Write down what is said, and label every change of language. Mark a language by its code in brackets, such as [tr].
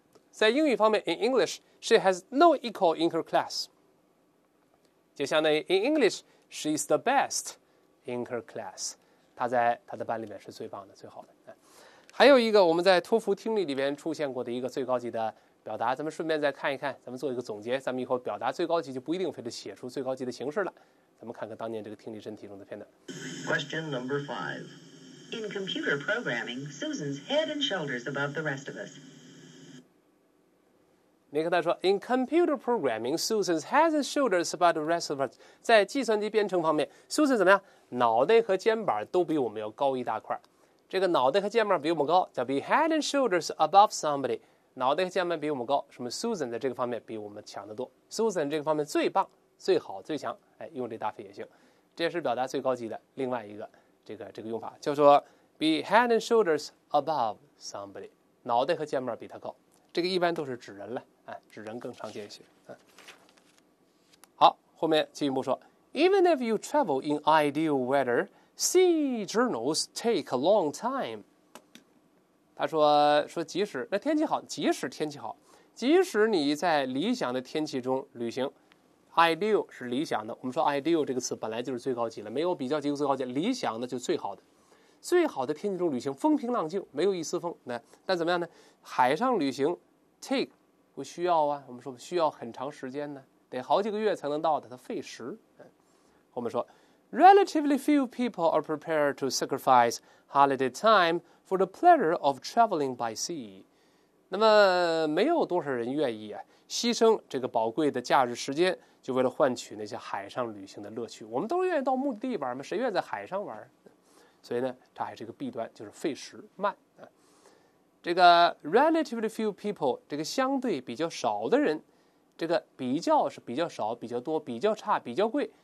[zh] 在英语方面 ， [en] in English she has no equal in her class， [zh] 就相当于 [en] in English she is the best in her class， [zh] 她在她的班里面是最棒的、最好的。还有一个我们在托福听力里边出现过的一个最高级的表达，咱们顺便再看一看，咱们做一个总结，咱们以后表达最高级就不一定非得写出最高级的形式了。咱们看看当年这个听力真题中的片段。 [en] Question number five. In computer programming, Susan's head and shoulders above the rest of us. [zh] 你跟他说 [en] ，In computer programming, Susan's head and shoulders above the rest of us. [zh] 在计算机编程方面 ，Susan 怎么样？脑袋和肩膀都比我们要高一大块。这个脑袋和肩膀比我们高，叫 [en] be head and shoulders above somebody。 [zh] 脑袋和肩膀比我们高，什么 ？Susan 在这个方面比我们强得多。 Susan 这个方面最棒、最好、最强。哎，用这搭配也行。这也是表达最高级的另外一个这个用法，叫做 [en] be head and shoulders above somebody。 [zh] 脑袋和肩膀比他高，这个一般都是指人了。指人更常见一些、好，后面进一步说 [en] Even if you travel in ideal weather, sea journals take a long time. [zh] 他说即使那天气好，即使你在理想的天气中旅行， ideal 是理想的，我们说 ideal 这个词本来就是最高级了，没有比较级最高级，理想的就最好的，最好的天气中旅行，风平浪静，没有一丝风，但怎么样呢？海上旅行 take不需要啊，我们说需要很长时间呢，得好几个月才能到的，它费时。我们说 [en] ，relatively few people are prepared to sacrifice holiday time for the pleasure of traveling by sea。 [zh] 那么没有多少人愿意啊，牺牲这个宝贵的假日时间，就为了换取那些海上旅行的乐趣。我们都愿意到目的地玩嘛，谁愿意在海上玩？所以呢，它还是一个弊端，就是费时慢。这个 relatively few people， 这个相对比较少的人，这个比较是比较少、比较多、比较差、比较贵。